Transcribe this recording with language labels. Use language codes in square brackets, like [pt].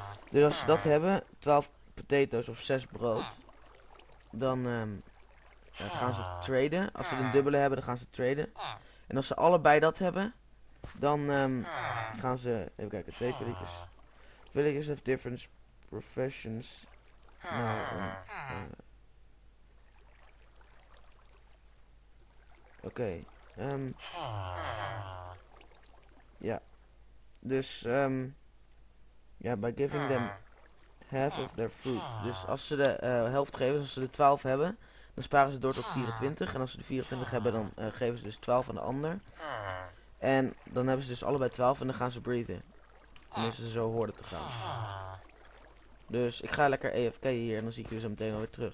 [nl] Dus als ze dat hebben, 12 potatoes of 6 brood, dan gaan ze traden. Als ze een dubbele hebben, dan gaan ze traden. En als ze allebei dat hebben, dan gaan ze, even kijken, 2 villages. [en] Villages have different professions. [nl] Nou, Oké. Ja. Dus, ja, [en] by giving them half of their food. [nl] Dus als ze de helft geven, als ze de 12 hebben, dan sparen ze door tot 24. En als ze de 24 hebben, dan geven ze dus 12 aan de ander. En dan hebben ze dus allebei 12 en dan gaan ze breathen. Tenminste, zo hoorden te gaan. Dus ik ga lekker AFK hier en dan zie ik jullie zo meteen alweer terug.